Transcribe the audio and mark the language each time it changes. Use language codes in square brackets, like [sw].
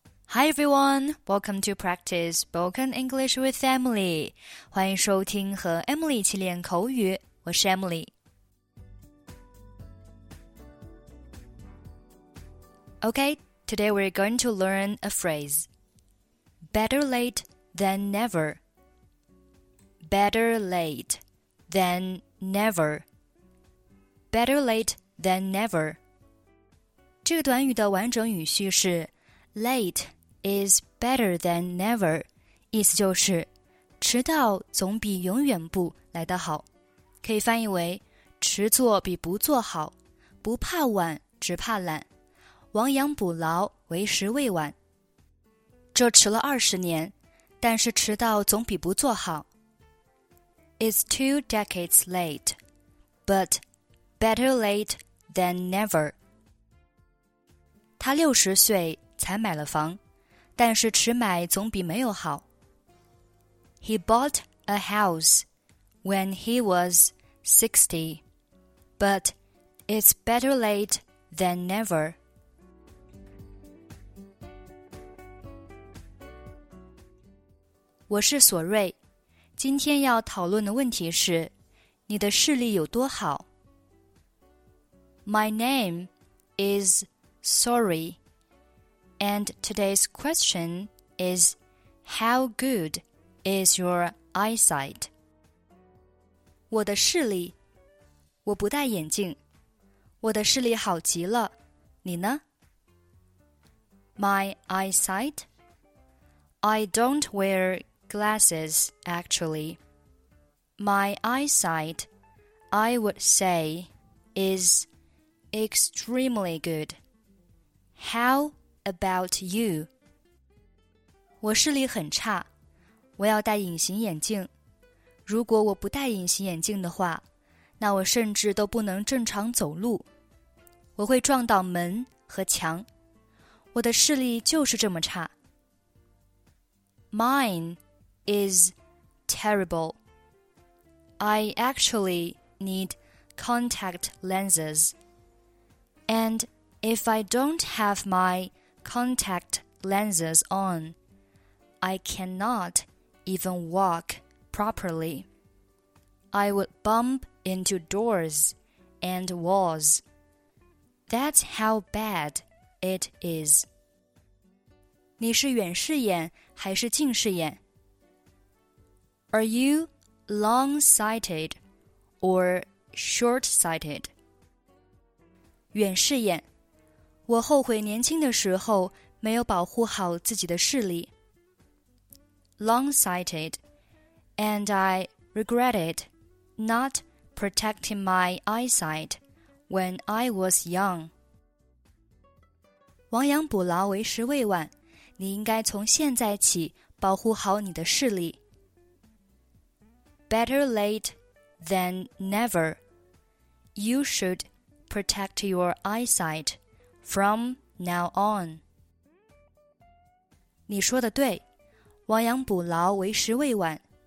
[en] Hi everyone, welcome to practice spoken English with Emily. [zh] 欢迎收听和 Emily 一起练口语，我是 Emily. [en] Okay, today we're going to learn a phrase. Better late than never. Better late than never. Better late than never. [zh] 这个短语的完整语序是 [en] late. Is better than never, [zh] 意思就是迟到总比永远不来得好。可以翻译为迟做比不做好，不怕晚只怕懒，亡羊补牢为时未晚。这迟了20年，但是迟到总比不做好。 [en] It's 2 decades late, but better late than never. [zh] 他60岁才买了房。但是迟买总比没有好。 [en] He bought a house when he was 60, but it's better late than never. [zh] 我是索瑞，今天要讨论的问题是，你的视力有多好？ [en] My name is Sorry. And today's question is, how good is your eyesight? [zh] 我的视力，我不戴眼镜，我的视力好极了，你呢？ [en] My eyesight? I don't wear glasses, actually. My eyesight, I would say, is extremely good. How good? About you. [zh] 我视力很差，我要戴隐形眼镜。如果我不戴隐形眼镜的话，那我甚至都不能正常走路。我会撞到门和墙。我的视力就是这么差。 [en] Mine is terrible. I actually need contact lenses. And if I don't have my... Contact lenses on. I cannot even walk properly. I would bump into doors and walls. That's how bad it is. [zh] 你是远视眼还是近视眼? [en] Are you long-sighted or short-sighted? [zh] 远视眼我后悔年轻的时候没有保护好自己的视力。 [en] Long-sighted, and I regretted not protecting my eyesight when I was young. [zh] 亡羊补牢为时未晚，你应该从现在起保护好你的视力。 [en] Better late than never. You should protect your eyesight. From now on. [zh] 你说的对，亡羊补牢为时未晚。